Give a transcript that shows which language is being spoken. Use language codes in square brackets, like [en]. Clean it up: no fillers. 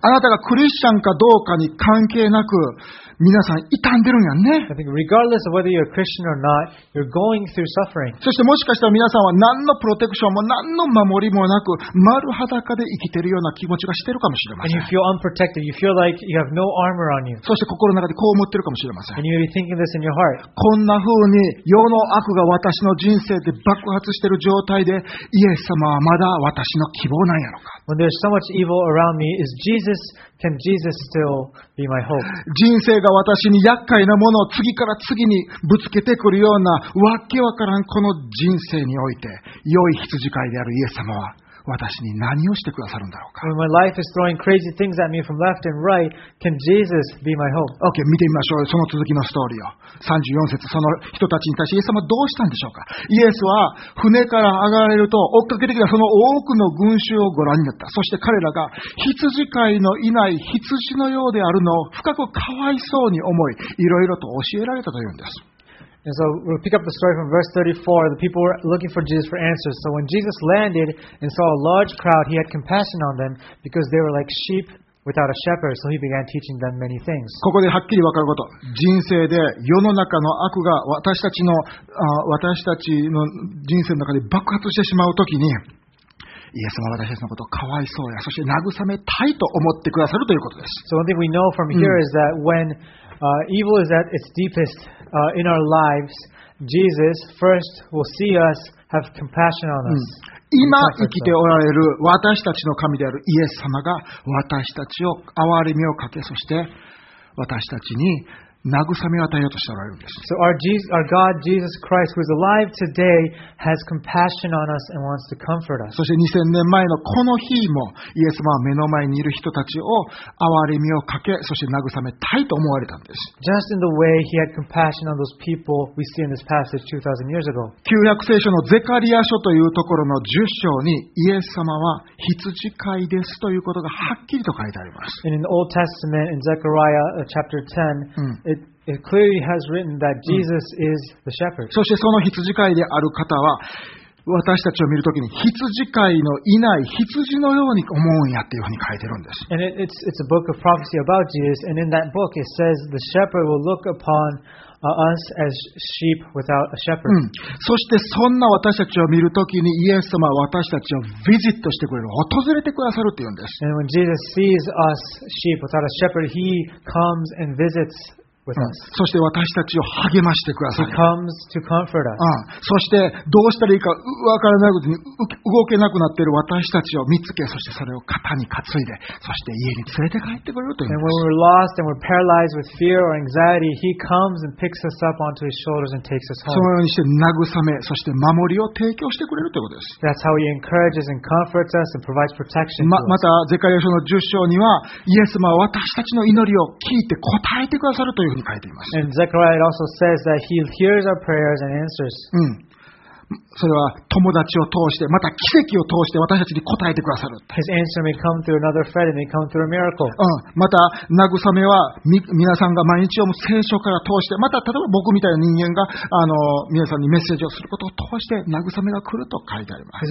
[ja] あなたがクリスチャンかどうかに関係なく。皆さん傷んでるんやんね。 [en] I think regardless of whether you're a Christian or not, you're going through suffering. [ja] そしてもしかしたら皆さんは何のプロテクションも何の守りもなく丸裸で生きてるような気持ちがしてるかもしれません。 [en] And you feel unprotected. You feel like you have no armor on you. [ja] そして心の中でこう思ってるかもしれません。 [en] And you may be thinking this in your heart. [ja] こんな風に世の悪が私の人生で爆発してる状態でイエス様はまだ私の希望なんやろか。 [en] When there's so much evil around me, is Jesus? Can Jesus still be my hope? [ja] 人生が私に厄介なものを次から次にぶつけてくるようなわけわからんこの人生において、良い羊飼いであるイエス様は私に何をしてくださるんだろうか。 [en] When my life is throwing crazy things at me from left and right, can Jesus be my hope? [ja] Okay, 見てみましょう。その続きのストーリーを。34節、その人たちに対してイエス様どうしたんでしょうか。イエスは船から上がられると追っかけてきたその多くの群衆をご覧になった。そして彼らが羊飼いのいない羊のようであるのを深くかわいそうに思い、いろいろと教えられたというんです。 [en] And so we'll pick up the story from verse 34. The people were looking for Jesus for answers. So when Jesus landed and saw a large crowd, he had compassion on them because they were like sheep without a shepherd. So he began teaching them many things. [ja] ここではっきり分かること。人生で世の中の悪が私たちの人生の中で爆発してしまうときに、イエス様は私たちのことをかわいそうや、そして慰めたいと思ってくださるということです。 [en] So one thing we know from here is that whenevil is at its deepest, in our lives, Jesus first will see us, have compassion on us.、 [ja] 今生きておられる私たちの神であるイエス様が私たちを憐れみをかけ、そして私たちに慰めを与えようとしておられるんです。 [en] So our God, Jesus Christ, who is alive today, has compassion on us and wants to comfort us. [ja] そして2000年前のこの日も、イエス様は目の前にいる人たちを憐れみをかけ、そして慰めたいと思われたんです。 [en] Just in the way he had compassion on those people we see in this passage 2000 years ago. [ja] 旧約聖書のゼカリア書というところの10章に、イエス様は羊飼いですということがはっきりと書いてあります。 [en] And in the Old Testament, in Zechariah chapter 10,It clearly has written that Jesus is the shepherd. [ja] そしてその羊飼いである方は私たちを見るときに羊飼いのいない羊のように思うんやっていうふうに書いてるんです。 [en] And it's a book of prophecy about Jesus, and in that book it says the shepherd will look upon us as sheep without a shepherd. [ja] そしてそんな私たちを見るときにイエス様は私たちをビジットしてくれる、訪れてくださるって言うんです。 [en] And when Jesus sees us sheep without a shepherd, he comes and visits. [ja] そして私たちを励ましてください。 [en] He comes to comfort us. [ja] そしてどうしたらいいか分からないことに動けなくなっている私たちを見つけ、そしてそれを肩に担いで、そして家に連れて帰ってくれるというんです。 [en] And when we're lost and we're paralyzed with fear or anxiety, he comes and picks us up onto his shoulders and takes us home. [ja] そのようにして慰め、そして守りを提供してくれるということです。 [en] That's how he encourages and comforts us and provides protection. [ja] またゼカリア書の10章にはイエス様は私たちの祈りを聞いて答えてくださるという。 [en] And Zechariah also says that he hears our prayers and answers. [ja] それは友達を通して、また奇跡を通して私たちに答えてくださる。 [en] His answer may come through another friend, may come through a miracle. [ja] また慰めは皆さんが毎日読む聖書から通して、また例えば僕みたいな人間が皆さんにメッセージをすることを通して慰めが来ると書いてあります。